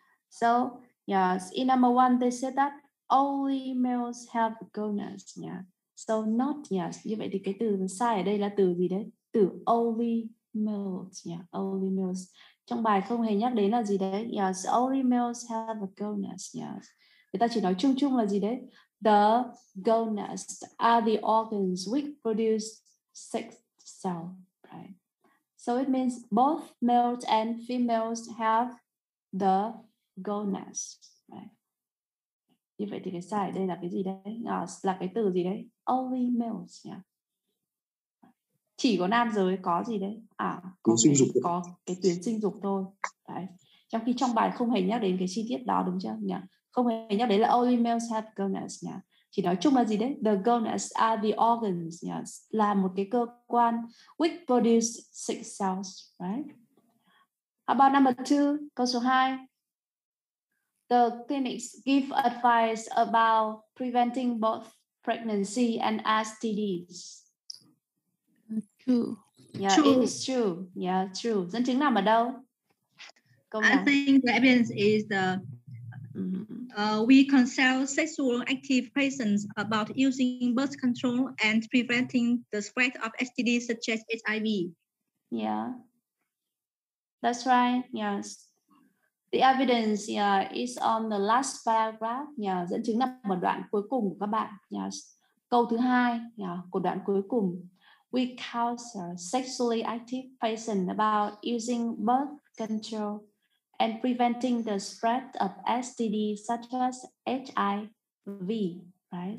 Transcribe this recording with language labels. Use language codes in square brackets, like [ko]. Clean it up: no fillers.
[en] So yes, in number one they said that only males have gonads. Yeah. So not yes. [vi] Như vậy thì cái từ sai ở đây là từ gì đấy? Từ only males. Yeah. Only males. trong bài không hề nhắc đến là gì đấy. Yes, only males have a gonads. Yes. Người ta chỉ nói chung chung là gì đấy. [en] The gonads are the organs which produce sex cells. Right. So it means both males and females have the gonads. Right. [vi] Như vậy thì cái sai đây là cái gì đấy? Là cái từ gì đấy? Only males. Yeah. Chỉ có nam giới có gì đấy? À, có sinh dục, có cái tuyến sinh dục thôi. Đấy. Trong khi trong bài không hề nhắc đến cái chi tiết đó, đúng chưa? Yeah. Không hề nhắc đến là [en] only males have gonads. [vi] Yeah. Chỉ nói chung là gì đấy? [en] The gonads are the organs. [vi] Yes. Là một cái cơ quan [en] which produce sex cells. Right? How about number two? [vi] Câu số 2. [en] The clinics give advice about preventing both pregnancy and STDs. True. Yeah, true. It is true. Yeah, true. [vi] Dẫn chứng nằm ở đâu? Công I nào? [en] Think the evidence is the we consult sexual active patients about using birth control and preventing the spread of STDs such as HIV. Yeah. That's right. Yes. The evidence is on the last paragraph. [vi] Yeah, dẫn chứng nằm ở đoạn cuối cùng của các bạn. Yes. Câu thứ hai của đoạn cuối cùng. [en] We counsel sexually active patients about using birth control and preventing the spread of STDs such as HIV, right?